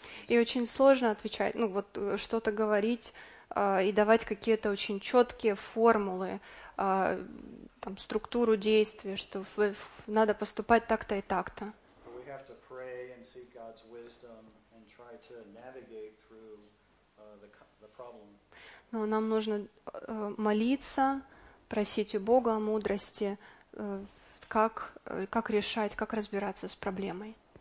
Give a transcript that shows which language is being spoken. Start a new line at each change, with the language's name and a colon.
Russian: И очень сложно отвечать, ну вот что-то говорить и давать какие-то очень четкие формулы, там, структуру действия, что надо поступать так-то и так-то.
English: We have to pray and seek God's wisdom and try to navigate through the problem.
Russian: Но нам нужно молиться, просить у Бога о мудрости, как решать, как разбираться с проблемой.